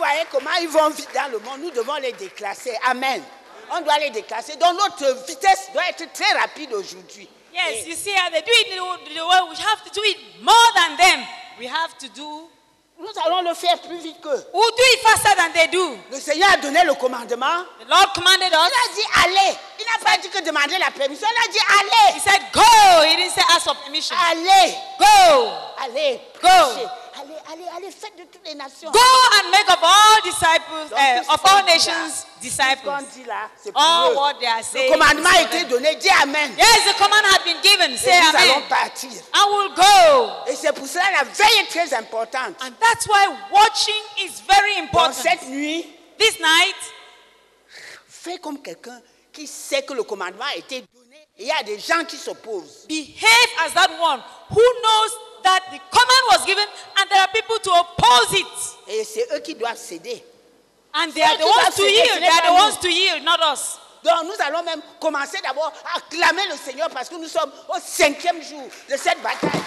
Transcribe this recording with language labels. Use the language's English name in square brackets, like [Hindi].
[French] Comment ils vont vivre dans le monde, nous devons les déclasser. Amen. On doit les déclasser. Donc notre vitesse doit être très rapide aujourd'hui. [English] Yes, et you see how they do it in the world. We have to do it more than them. We have to do. [French] Nous allons le faire plus vite qu'eux. [English] We do it faster than they do. [French] Le Seigneur a donné le commandement. [English] The Lord commanded us. [French] Il a dit allez. Il n'a pas dit que demander la permission. Il a dit allez. [English] He said go. He didn't say ask for permission. [French] Allez. [English] Go. [French] Allez. [English] Go. [French] Allez, faites de toutes les nations. [English] Go and make of all disciples, of all nations disciples. All what they are saying. [French] Le commandement a été donné. Dis amen. [English] Yes, the command has been given. Say [French] nous [English] amen. [French] Allons partir. [English] I will go. [French] Et c'est pour cela la veille est très importante. [English] And that's why watching is very important. [French] Dans cette nuit, [English] this night, [French] fais comme quelqu'un qui sait que le commandement a été donné. Il y a des gens qui s'opposent. [English] Behave as that one who knows that the command was given and there are people to oppose it. [French] Et c'est eux qui doivent céder. [English] And they are the ones to yield. They are the ones to yield, not us. [French] Donc nous allons même commencer d'abord à acclamer le Seigneur parce que nous sommes au cinquième jour de cette bataille.